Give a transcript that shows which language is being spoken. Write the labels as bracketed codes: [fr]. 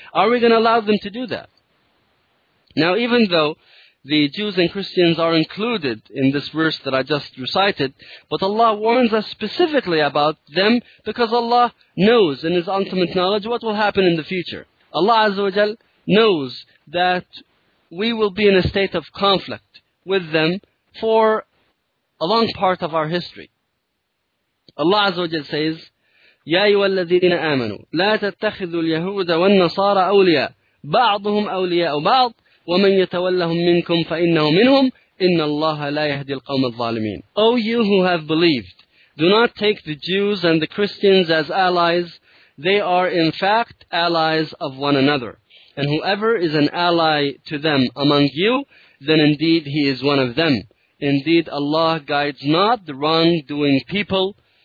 [en] Are we going to allow them to do that? Now, even though the Jews and Christians are included in this verse that I just recited, but Allah warns us specifically about them because Allah knows in His ultimate knowledge what will happen in the future. Allah Azza wa Jal knows that we will be in a state of conflict with them for a long part of our history. Allah Azza wa Jal says, [ar] يَا أَيُّهَا الَّذِينَ آمَنُوا لَا تَتَّخِذُوا الْيَهُودَ وَالنَّصَارَ أَوْلِيَاءَ بَعْضُهُمْ أَوْلِيَاءُ بَعْضٍ وَمَنْ يَتَوَلَّهُمْ مِنْكُمْ فَإِنَّهُ مِنْهُمْ إِنَّ اللَّهَ لَا يَهْدِي الْقَوْمَ الظَّالِمِينَ. [en] O you who have believed, do not take the Jews and the Christians as allies. They are in fact allies of one another. And whoever is an ally to them among you, then indeed he is one of them. Indeed, Allah guides not the wrongdoing people.